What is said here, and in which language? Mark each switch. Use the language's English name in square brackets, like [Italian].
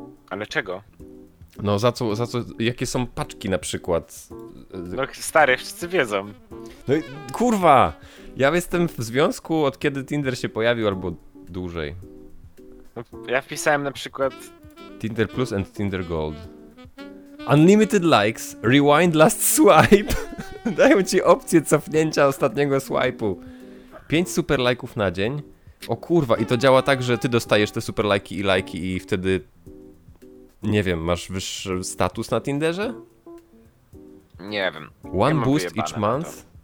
[Polish] Ale czego? No za co, jakie są paczki na przykład? No stary, wszyscy wiedzą. No kurwa! Ja jestem w związku od kiedy Tinder się pojawił, albo dłużej. No, ja wpisałem na przykład... [English] Tinder Plus and Tinder Gold. Unlimited likes, rewind last swipe. [Polish] Dają ci opcję cofnięcia ostatniego swipe'u. 5 super lajków na dzień. O kurwa, i to działa tak, że ty dostajesz te super lajki i wtedy... Nie wiem, masz wyższy status na Tinderze? Nie wiem. [English] One boost each month?